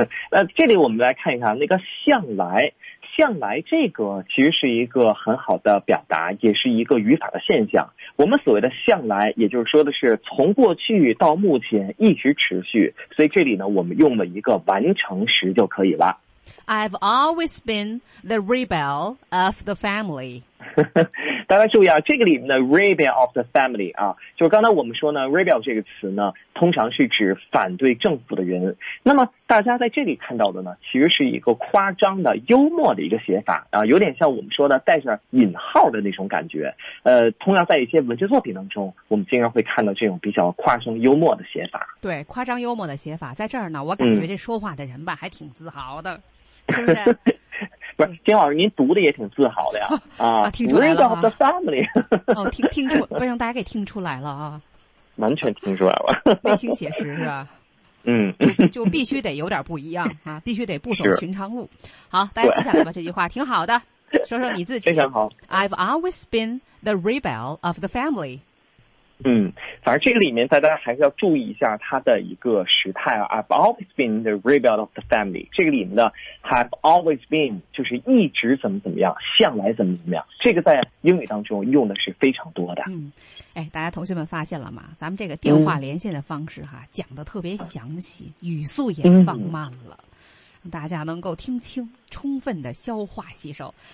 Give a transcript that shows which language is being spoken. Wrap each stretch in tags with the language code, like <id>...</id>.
<zh>那这里我们来看一看那个向来，向来这个其实是一个很好的表达，也是一个语法的现象。我们所谓的向来，也就是说的是从过去到目前一直持续，所以这里呢我们用了一个完成时就可以了。</zh> <en>I've always been the rebel of the family。</en> <zh>大家注意啊，这个里面的</zh> <en>rebel of the family</en> <zh>啊，就是刚才我们说呢 rebel 这个词呢通常是指反对政府的人，那么大家在这里看到的呢其实是一个夸张的幽默的一个写法啊，有点像我们说的带着引号的那种感觉。通常在一些文学作品当中我们经常会看到这种比较夸张幽默的写法。对，夸张幽默的写法在这儿呢，我感觉这说话的人吧还挺自豪的，是不是？不是，金老师，您读的也挺自豪的呀。啊，听出来了。</zh> <en>Rebel of the family。</en> <zh>哦，听出，不让大家给听出来了啊。完全听出来了。内心写实是吧？嗯。就必须得有点不一样啊，必须得不走寻常路。好，大家记下来吧，这句话挺好的。说说你自己。非常好。</zh> <en>I've always been the rebel of the family。</en> <zh>嗯，反正这个里面大家还是要注意一下它的一个时态啊。</zh> <en>I've always been the rebel of the family。</en> <zh>这个里面的</zh> <en>have always been</en> <zh>就是一直怎么怎么样，向来怎么怎么样，这个在英语当中用的是非常多的。哎，大家同学们发现了吗？咱们这个电话连线的方式哈，讲得特别详细，语速也放慢了，让大家能够听清，充分的消化吸收。</zh>